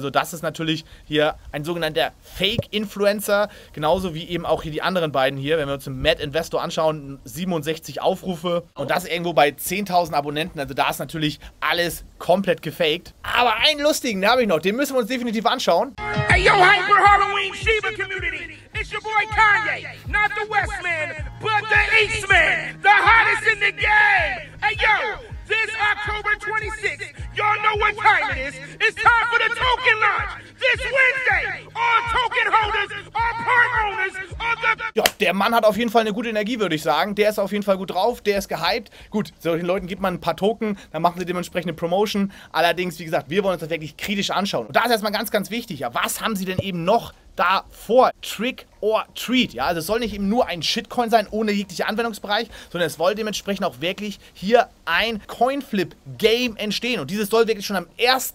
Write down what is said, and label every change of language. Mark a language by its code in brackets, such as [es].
[de] Also das ist natürlich hier ein sogenannter Fake-Influencer. Genauso wie eben auch hier die anderen beiden hier. Wenn wir uns den Mad Investor anschauen, 67 Aufrufe. Und das irgendwo bei 10.000 Abonnenten. Also da ist natürlich alles komplett gefaked. Aber einen lustigen, den habe ich noch. Den müssen wir uns definitiv anschauen. [en] Hey yo, Hyper Halloween Shiba Community. It's your boy Kanye. Not the West Man, but the East Man. The hottest in the game. Hey yo. This October 26th, y'all know what time it is. It's time for the token launch. This Wednesday, all token holders are part owners. [de] Ja, der Mann hat auf jeden Fall eine gute Energie, würde ich sagen. Der ist auf jeden Fall gut drauf, der ist gehypt. Gut, solchen Leuten gibt man ein paar Token, dann machen sie dementsprechend eine Promotion. Allerdings, wie gesagt, wir wollen uns das wirklich kritisch anschauen. Und da ist erstmal ganz, ganz wichtig, ja, was haben sie denn eben noch davor. [en] Trick or treat. [de] Ja, also es soll nicht eben nur ein Shitcoin sein, ohne jeglichen Anwendungsbereich, sondern es soll dementsprechend auch wirklich hier ein Coinflip-Game entstehen. Und dieses soll wirklich schon am 1.